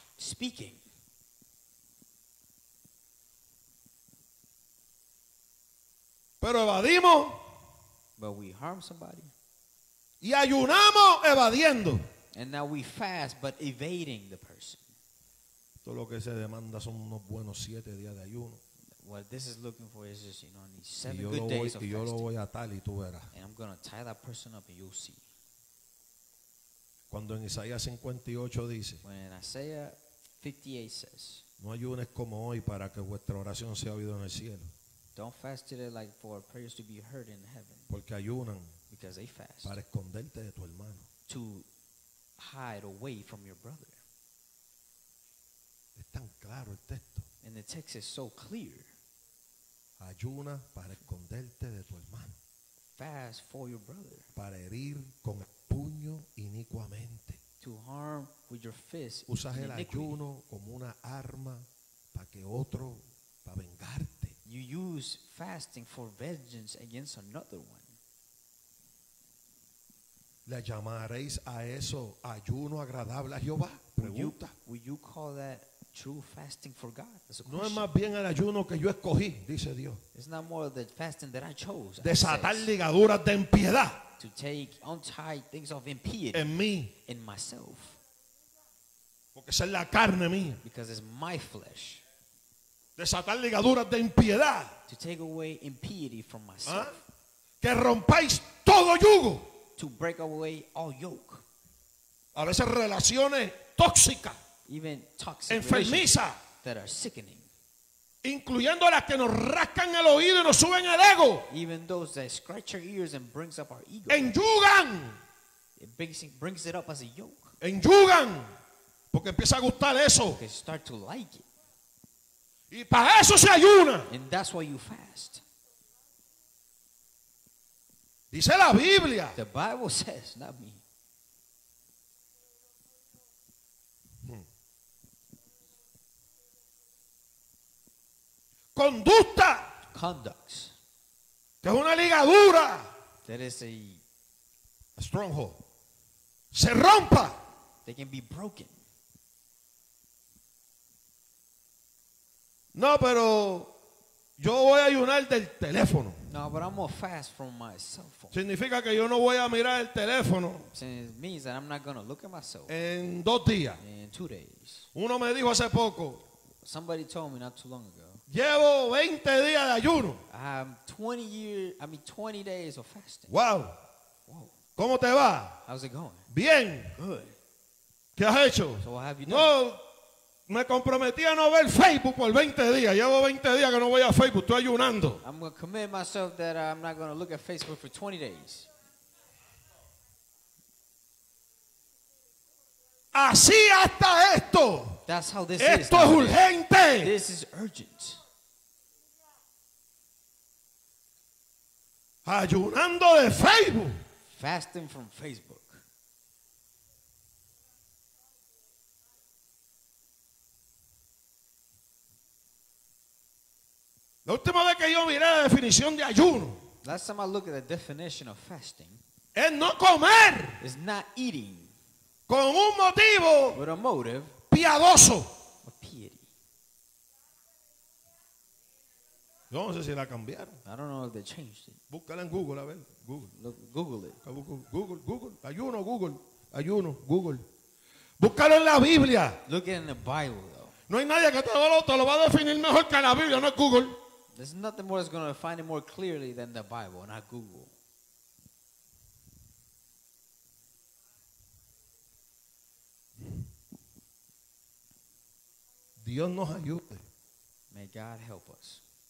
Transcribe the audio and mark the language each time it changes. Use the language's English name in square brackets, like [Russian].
[English] Speaking. [Spanish] Pero evadimos. [English] But we harm somebody. [Spanish] Y ayunamos evadiendo. [English] And now we fast, but evading the person. [Spanish] Todo lo que se demanda son unos buenos siete días de ayuno. [English] What this is looking for is just, you know, only seven [Spanish] y [English] good [Spanish] voy, [English] days of [Spanish] y yo [English] fasting. [Spanish] Lo voy a atar y tú verás. [English] And I'm going to tie that person up and you'll see. [Spanish] Cuando en Isaías 58 dice, [English] when Isaiah 58 says, [Spanish] no ayunes como hoy para que vuestra oración sea oída en el cielo. [English] Don't fast today like for prayers to be heard in heaven. [Spanish] Porque ayunan [English] because they fast [Spanish] para esconderte de tu hermano. [English] To hide away from your brother. [Spanish] Es tan claro el texto. [English] And the text is so clear. [Spanish] Ayuna para esconderte de tu hermano. [English] Fast for your brother. [Spanish] Para herir con el puño inicuamente. [English] To harm with your fist. [Spanish] Usas el ayuno como una arma para que otro, para vengarte. [English] You use fasting for vengeance against another one. [Spanish] ¿Le llamaréis a eso ayuno agradable a Jehová? Pregunta. [English] Will you call that true fasting for God? [Spanish] No es más bien el ayuno que yo escogí, dice Dios. [English] It's not more the fasting that I chose. [Spanish] Desatar ligaduras de impiedad. [English] To take untie things of impiety. [Spanish] En mí. [English] In myself. [Spanish] Porque esa es la carne mía. [English] Because it's my flesh. [Spanish] Desatar ligaduras de impiedad. [English] To take away impiety from myself. ¿Ah? [Spanish] Que rompáis todo yugo. [English] To break away all yoke. [Spanish] A veces relaciones tóxicas. [English] Even toxic [Spanish] enfermiza, [English] that are sickening, [Spanish] incluyendo las que nos rascan el oído y nos suben el ego, [English] even those that scratch our ears and brings up our ego, [Spanish] enyugan, [English] it brings it up as a yoke, [Spanish] enyugan, porque empieza a gustar eso, [English] they start to like it, [Spanish] y para eso se ayuna, [English] and that's why you fast. [Spanish] Dice la Biblia, [English] the Bible says, not me. [Spanish] Conducta. [English] Conducts. [Spanish] Que es una ligadura. [English] That is a [Spanish] stronghold. Se rompa. [English] They can be broken. [Spanish] No, pero yo voy a ayunar del teléfono. [English] No, but I'm gonna fast from my cell phone. [Spanish] Significa que yo no voy a mirar el teléfono. [English] It means that I'm not gonna look at my cell phone. [Spanish] En dos días. [English] In 2 days. [Spanish] Uno me dijo hace poco. [English] Somebody told me not too long ago. [Spanish] Llevo 20 días de ayuno. [English] I'm 20 days of fasting. Wow. Whoa. [Spanish] ¿Cómo te va? [English] How's it going? [Spanish] Bien. [English] Good. [Spanish] ¿Qué has hecho? [English] So what have you done? [Spanish] No, me comprometí a no ver Facebook por 20 días. Llevo 20 días que no voy a Facebook. Estoy ayunando. [English] I'm going to commit myself that I'm not going to look at Facebook for 20 days. [Spanish] Así hasta esto. [English] That's how this [Spanish] esto [English] is. [Spanish] Es urgente. [English] This is urgent. [Spanish] Ayunando de Facebook. [English] Fasting from Facebook. [Spanish] La última vez que yo miré la definición de ayuno. [English] Last time I looked at the definition of fasting. [Spanish] Es no comer. [English] It's not eating. [Spanish] Con un motivo. [English] With a motive. [Spanish] Piadoso. [English] A piety. [Spanish] Yo no sé si la cambiaron. [English] I don't know if they changed it. [Spanish] Búscala en Google, a ver. Google. [English] Look, Google it. [Spanish] Google. Ayuno, Google. Ayuno, Google. Búscalo en la Biblia. [English] Look it in the Bible, though. [Spanish] No hay nadie que te lo va a definir mejor que la Biblia, no es Google. [English] There's nothing more that's going to find it more clearly than the Bible, not Google. [Spanish] Dios nos ayude. [English] May God help us.